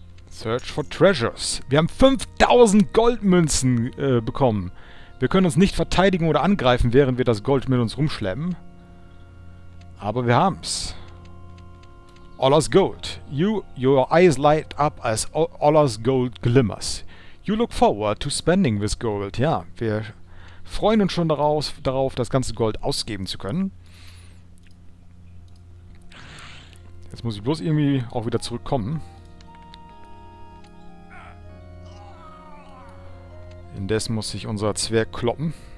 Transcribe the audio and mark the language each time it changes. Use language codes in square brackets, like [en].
[de] Search for Treasures. Wir haben 5000 Goldmünzen bekommen. Wir können uns nicht verteidigen oder angreifen, während wir das Gold mit uns rumschleppen. Aber wir haben's. Olor's Gold. [en] Your eyes light up as Olor's Gold glimmers. You look forward to spending this gold. [de] Ja, wir freuen uns schon darauf, das ganze Gold ausgeben zu können. Jetzt muss ich bloß irgendwie auch wieder zurückkommen. Indes muss sich unser Zwerg kloppen.